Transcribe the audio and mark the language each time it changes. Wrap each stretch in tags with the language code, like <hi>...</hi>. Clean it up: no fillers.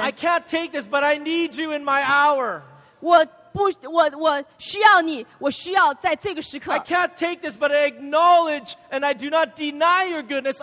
<en>I can't take this, but I need you in my hour.</en> <zh>我需要你，我需要在这个时刻。</zh> <en>I can't take this, but I acknowledge and I do not deny your goodness.</en>